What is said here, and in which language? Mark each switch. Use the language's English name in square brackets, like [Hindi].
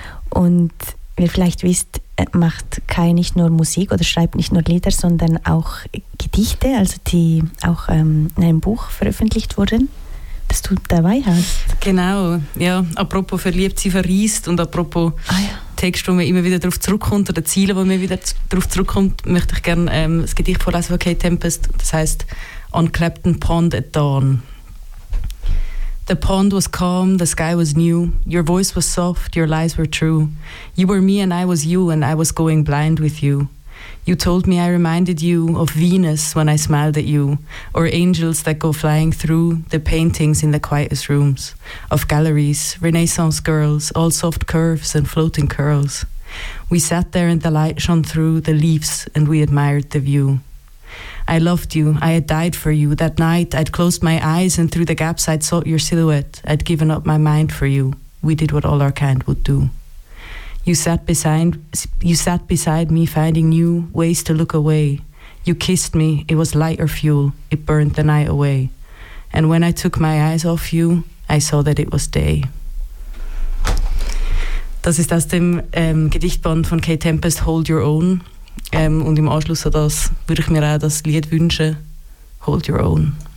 [German] Und wie ihr vielleicht wisst, macht Kay nicht nur Musik oder schreibt nicht nur Lieder, sondern auch Gedichte, also die auch in einem Buch veröffentlicht wurden, das du dabei hast. Genau, ja, apropos verliebt, sie verriest und apropos Text, wo man immer wieder darauf zurückkommt, oder Ziele, wo man wieder darauf zurückkommt, möchte ich gerne das Gedicht vorlesen von Kate Tempest. Das heißt On Clapton Pond at Dawn. [English] The pond was calm, the sky was new, your voice was soft, your lies were true. You were me and I was you, and I was going blind with you. You told me I reminded you of Venus when I smiled at you, or angels that go flying through the paintings in the quietest rooms, of galleries, Renaissance girls, all soft curves and floating curls. We sat there and the light shone through the leaves and we admired the view. I loved you, I had died for you. That night I'd closed my eyes and through the gaps I'd sought your silhouette. I'd given up my mind for you. We did what all our kind would do. You sat beside me, finding new ways to look away. You kissed me, it was lighter fuel, it burned the night away. And when I took my eyes off you, I saw that it was day. [German] Das ist aus dem Gedichtband von Kate Tempest, Hold Your Own. Und im Anschluss an das würde ich mir auch das Lied wünschen, Hold Your Own.